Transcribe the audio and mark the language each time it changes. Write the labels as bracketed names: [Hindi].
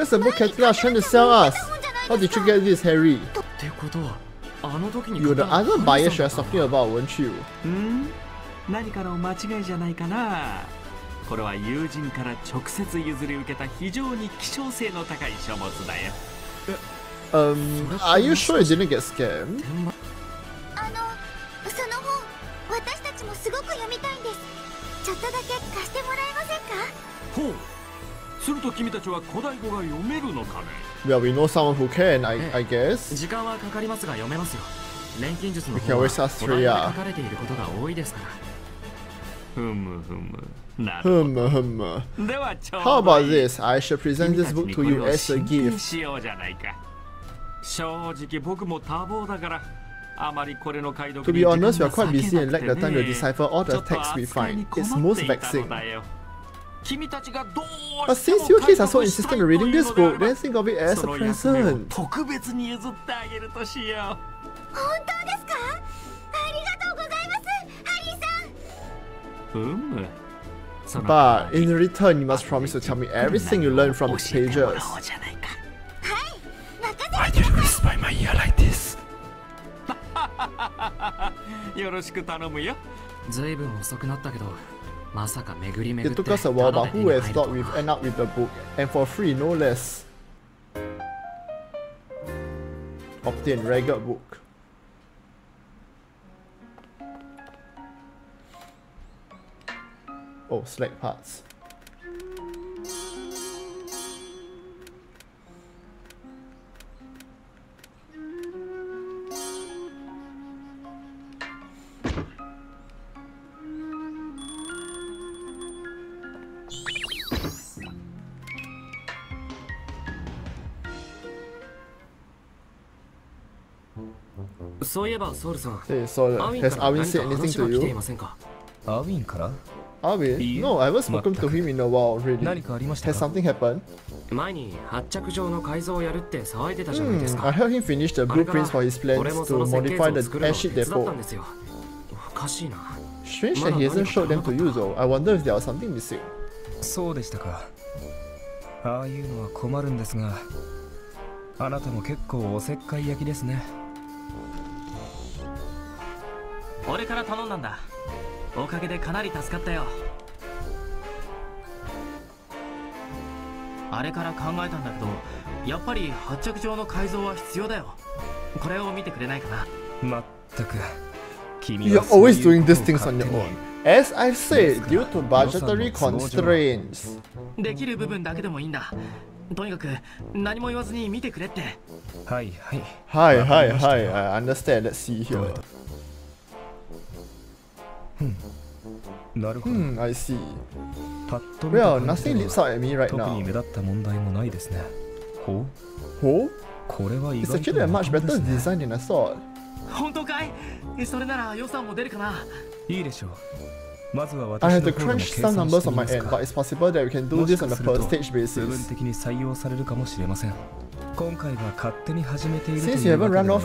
[English] This book is not trying to sell us. How did you get this, Harry? [Japanese] ってことは、あの時に買ったの？ [English] You're the other buyer she was talking about, weren't you? [Japanese] ん？何かの間違いじゃないかな。これは友人から直接譲り受けた非常に希少性の高い書物だよ。 [English] Are you sure it didn't get scammed? [Japanese] あの、その本、私たちもすごく読みたいんです。ちょっとだけ貸してもらえませんか？ほう。すると君たちは古代語が読めるのかね。 [English] Well, we know someone who can, I guess. [Japanese] 時間はかかりますが読めますよ。錬金術の本は古代語で書かれていることが多いですから。ふむふむ、なるほど。ふむふむ。 [English] How about this? I shall present this book to you as a gift. [Japanese] 君たちにこれを真剣しようじゃないか。正直僕も多忙だから、あまりこれの解読に時間が割けなくてね。 [English] To be honest, we are quite busy and lack the time to decipher all the texts we find. It's most vexing. [Japanese] 君たちがどうしても解読したいというのであれば、 [English] But since you kids are so insistent in reading this book, then think of it as a present. [Japanese] その役目を特別に譲ってあげるとしよう。本当ですか？ありがとうございます、ハリーさん。 [English] But in return, you must promise to tell me everything you learn from these pages. Why do you whisper in my ear like this? [Japanese] よろしく頼むよ。ずいぶん遅くなったけど、まさか巡り巡って。 [English] It took us a while, but who has thought we've end up with the book and for free, no less. Obtain regular book. Oh, select parts. [Japanese] そういえば、ソウルさん。 [English] Hey, Sol, has Arwin said anything to you? [Japanese] Arwin から? [English] アビン、No, I haven't spoken to him in a while already. [Japanese] 何かありましたか? [English] Has something happened? [Japanese] 前に発着場の改造をやるって騒いでたじゃないですか。 [English] I heard him finish the blueprints for his plans to modify the airship depot. [Japanese] おかしいな。 [English] Strange that he hasn't showed them to you though. I wonder if there was something missing. [Japanese] そうでしたか。ああいうのは困るんですが、あなたも結構おせっかい焼きですね。俺から頼んだんだ。おかげでかなり助かったよ。あれから考えたんだけど、やっぱり発着場の改造は必要だよ。これを見てくれないかな。まったく。 [English] You're always doing these things on your own. As I've said, due to budgetary constraints. [Japanese] できる部分だけでもいいんだ。とにかく何も言わずに見てくれって。はいはい。はいはいはい。 [English] I understand. Let's see here. [Japanese] なるほど。 [English] I see. [Japanese] パッと見た感じでは、 [English] well, right、 [Japanese] 特に目立った問題もないですね。ほう？ほう？これは意外と。 [English] It's actually a much better design than I thought. [Japanese] 本当かい？それなら予算も出るかな。いいでしょう。まずは私の方でも計算してみますか。 [English] I have to crunch some numbers on my end, but it's possible that we can do this on a per-stage basis. [Japanese] もしかすると、部分的に採用されるかもしれません。今回は勝手に始めているというわけ